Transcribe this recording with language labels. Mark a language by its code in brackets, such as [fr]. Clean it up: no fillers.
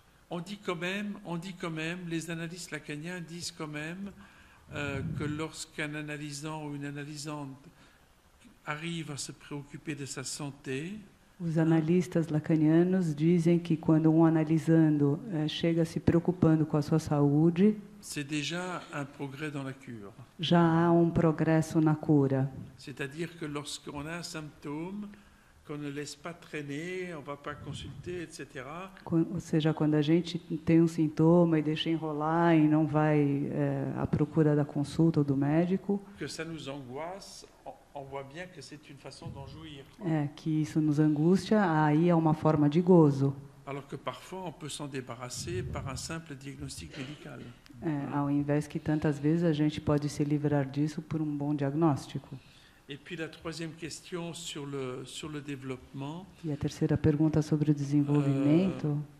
[fr] On dit quand même, les analystes lacaniens disent quand même que lorsqu'un analysant ou une analysante arrive à se préoccuper de sa santé. [pt] Os analistas lacanianos dizem que quando um analisando chega se preocupando com a sua saúde, [fr] c'est déjà un progrès dans la cure. [pt] Já há um progresso na cura. [fr] C'est-à-dire que lorsqu'on a un symptôme, qu'on ne laisse pas traîner, on va pas consulter, etc. [pt] Ou seja, quando a gente tem um sintoma e deixa enrolar e não vai à procura da consulta ou do médico. [fr] Que ça nous angoisse. On voit bien que c'est une façon d'en jouir. [pt] É que isso nos angustia, aí é uma forma de gozo. [fr] Alors que parfois on peut s'en débarrasser par un simple diagnostic médical. [pt] É, ao invés que tantas vezes a gente pode se livrar disso por um bom diagnóstico. [fr] Et puis la troisième question sur le développement. [pt] E a terceira pergunta sobre o desenvolvimento.